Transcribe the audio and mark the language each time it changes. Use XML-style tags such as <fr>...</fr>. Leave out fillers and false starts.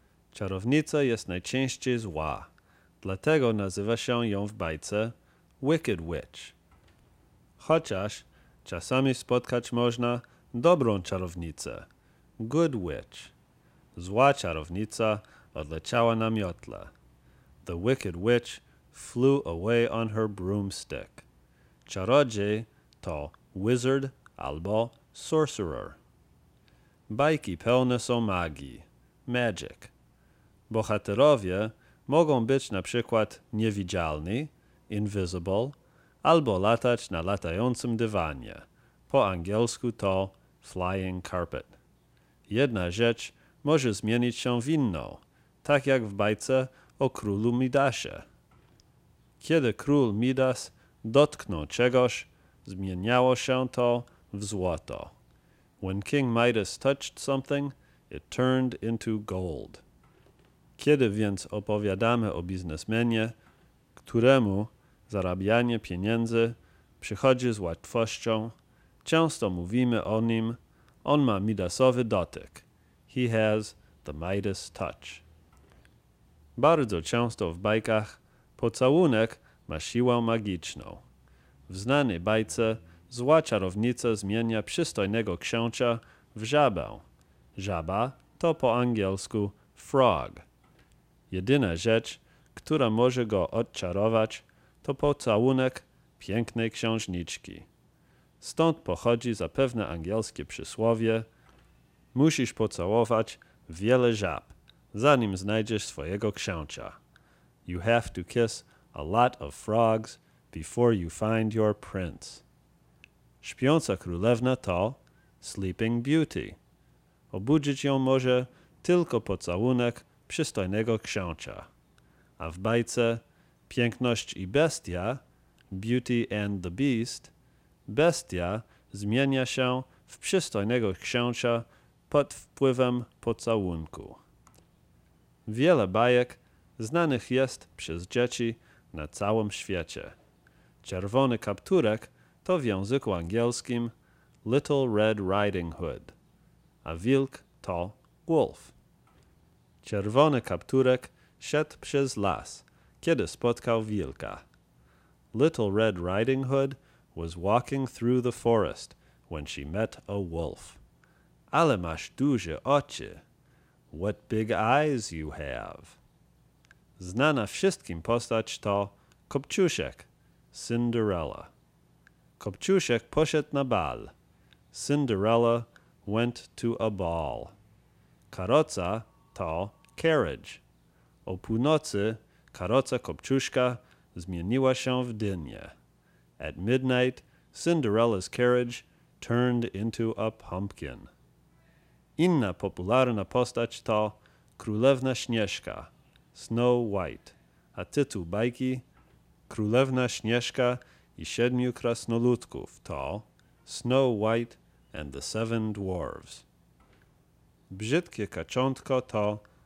<pl>Czarownica jest najczęściej zła, dlatego nazywa się ją w bajce wicked witch. Chociaż czasami spotkać można dobrą czarownicę, good witch. Zła czarownica odleciała na miotle.</pl> <en>The wicked witch flew away on her broomstick.</en> <pl>Czarodziej to wizard albo sorcerer. Bajki pełne są magii, magic. Bohaterowie mogą być na przykład niewidzialni, invisible, albo latać na latającym dywanie. Po angielsku to flying carpet. Jedna rzecz może zmienić się w inną, tak jak w bajce o królu Midasie. Kiedy król Midas dotknął czegoś, zmieniało się to w złoto.</pl> <en>When King Midas touched something, it turned into gold.</en> <pl>Kiedy więc opowiadamy o biznesmenie, któremu zarabianie pieniędzy przychodzi z łatwością, często mówimy o nim: on ma Midasowy dotyk. He has the Midas touch. Bardzo często w bajkach pocałunek ma siłę magiczną. W znanej bajce zła czarownica zmienia przystojnego księcia w żabę. Żaba to po angielsku frog. Jedyna rzecz, która może go odczarować, to pocałunek pięknej księżniczki. Stąd pochodzi zapewne angielskie przysłowie: musisz pocałować wiele żab, zanim znajdziesz swojego księcia.</pl> <en>You have to kiss a lot of frogs before you find your prince.</en> <pl>Śpiąca królewna to Sleeping Beauty. Obudzić ją może tylko pocałunek przystojnego księcia. A w bajce Piękność i Bestia, Beauty and the Beast, bestia zmienia się w przystojnego księcia pod wpływem pocałunku. Wiele bajek znanych jest przez dzieci na całym świecie. Czerwony kapturek to w języku angielskim Little Red Riding Hood, a wilk to wolf. Czerwony kapturek szedł przez las, kiedy spotkał wilka.</pl> <en>Little Red Riding Hood was walking through the forest when she met a wolf. Ale masz duże oczy. What big eyes you have.</en> <pl>Znana wszystkim postać to Kopciuszek, Cinderella. Kopciuszek poszedł na bal.</pl> <en>Cinderella went to a ball.</en> <pl>Karoca to carriage. O północy karoca Kopciuszka zmieniła się w dynię.</pl> <en>At midnight, Cinderella's carriage turned into a pumpkin.</en> <pl>Inna popularna postać to Królewna Śnieżka, Snow White, a tytuł bajki Królewna Śnieżka i Siedmiu Krasnoludków to Snow White and the Seven Dwarves. Brzydkie kaczątko to</pl>